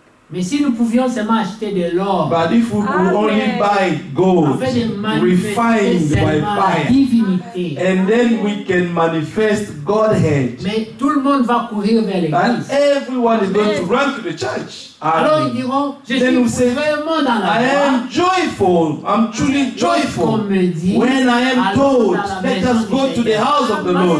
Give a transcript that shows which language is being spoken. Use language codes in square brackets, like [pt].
[fr] Mais si nous pouvions seulement acheter de l'or, [en] but if we could only buy gold, refined by fire, [fr] divinité, [en] and then we can manifest Godhead. [fr] Mais tout le monde va courir vers l'église. [en] And everyone is going to run to the church. [fr] Alors ils diront, je then suis [en] say, [fr] vraiment dans la [en] I [fr] joie. [en] I am joyful. I'm truly joyful. [fr] Dit, [en] when I am told, let us go to the house of the Lord.